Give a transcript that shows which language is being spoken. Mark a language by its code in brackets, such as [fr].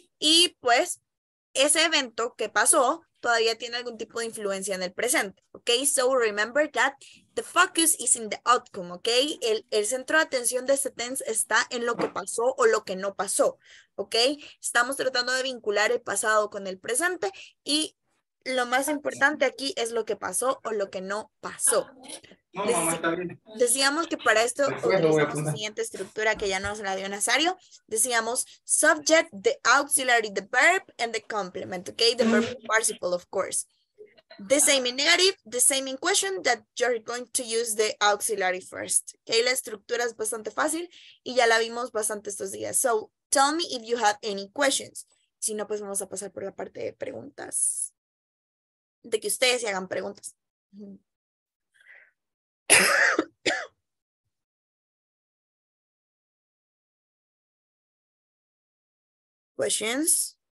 [es] Y pues, ese evento que pasó todavía tiene algún tipo de influencia en el presente, okay? [en] So remember that the focus is in the outcome, okay? [es] El centro de atención de este tense está en lo que pasó o lo que no pasó, okay? Estamos tratando de vincular el pasado con el presente y lo más importante aquí es lo que pasó o lo que no pasó. Decíamos que para esto utilizamos la siguiente estructura que ya nos la dio Nazario. [en] Decíamos subject, the auxiliary, the verb, and the complement. Okay, the verb participle, of course. The same in negative, the same in question, that you're going to use the auxiliary first. [es] Okay, la estructura es bastante fácil y ya la vimos bastante estos días. [en] So, tell me if you have any questions. [es] Si no, pues vamos a pasar por la parte de preguntas. De que ustedes se hagan preguntas. [en] Questions?